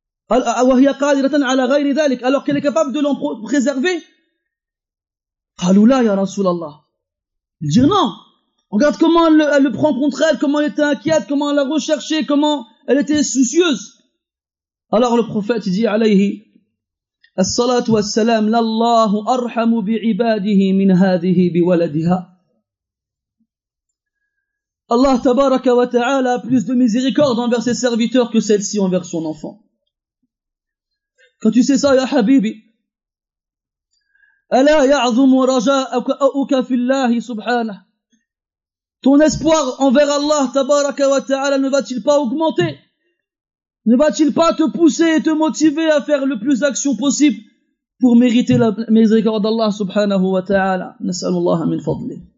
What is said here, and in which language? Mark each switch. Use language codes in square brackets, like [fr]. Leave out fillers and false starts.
[fr] Alors qu'elle est capable de l'en préserver? [ar] Qaloula ya Rasulallah. [fr] Il dit non. Regarde comment elle le prend contre elle, comment elle était inquiète, comment elle a recherché, comment elle était soucieuse. Alors le prophète dit [ar] alayhi, الصلاة والسلام لله أرحم بعباده من هذه بولدها. الله تبارك وتعالى [fr] a plus de miséricorde envers ses serviteurs que celle-ci envers son enfant. Quand tu sais ça, [ar] يا حبيبي, ألا يعظم رجاءك في الله سبحانه. [fr] Ton espoir envers Allah [ar] تبارك وتعالى [fr] ne va-t-il pas augmenter? Ne va-t-il pas te pousser et te motiver à faire le plus d'actions possible pour mériter la miséricorde d'Allah [ar] subhanahu wa ta'ala? Nas'alullah min fadli.